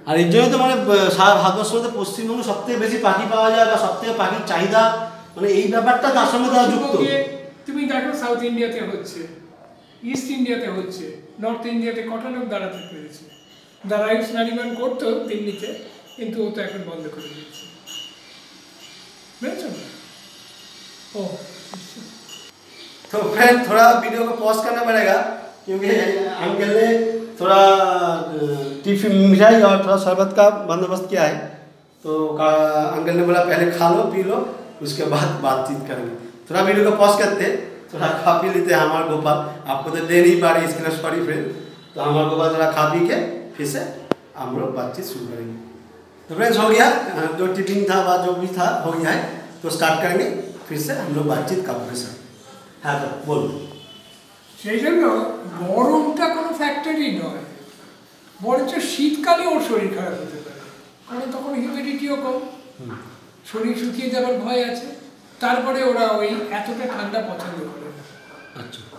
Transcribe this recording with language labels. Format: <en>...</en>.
<bn>আর এর জন্য তো মানে সারা ভারতবর্ষে পশ্চিমবঙ্গে সবথেকে বেশি পাখি পাওয়া যায় বা সবথেকে পাখির চাহিদা, মানে এই ব্যাপারটা তার সঙ্গে তারা যুক্ত। তুমি দেখো সাউথ ইন্ডিয়াতে হচ্ছে, ইস্ট ইন্ডিয়াতে হচ্ছে, নর্থ ইন্ডিয়াতে কটা লোক দাঁড়াতে পেরেছে, দাঁড়া আয়ুষ নারিমান করতো দিল্লিতে, কিন্তু ও তো এখন বন্ধ করে দিয়েছে, বুঝছ? ও</bn> <hi>তো ফ্রেন্ড, থোড়া ভিডিওকে পজ করতে পড়েগা, क्योंकि अंकल ने थोड़ा टिफिन मिठाई और थोड़ा शरबत का बंदोबस्त किया है, तो अंकल ने बोला पहले खा लो पी लो उसके बाद बातचीत करेंगे, थोड़ा वीडियो को पॉज करते, थोड़ा खा पी लेते हैं। हमारे गोपाल आपको तो दे नहीं पा रही इसके सॉरी फ्रेंड, तो हमारे गोपाल थोड़ा खा पी के फिर से हम लोग बातचीत शुरू करेंगे। तो फ्रेंड्स, हो गया जो टिफिन था वह जो भी था हो गया है, तो स्टार्ट करेंगे फिर से हम लोग बातचीत का प्रोसेस। हाँ तो बोल,</hi> <bn>সেই জন্য গরমটা কোনো ফ্যাক্টরই নয়, বরঞ্চ শীতকালে ওর শরীর খারাপ হতে পারে, কারণ তখন হিউমিডিটিও কম, শরীর শুকিয়ে যাওয়ার ভয় আছে, তারপরে ওরা ওই এতটা ঠান্ডা পছন্দ করে না। আচ্ছা,</bn>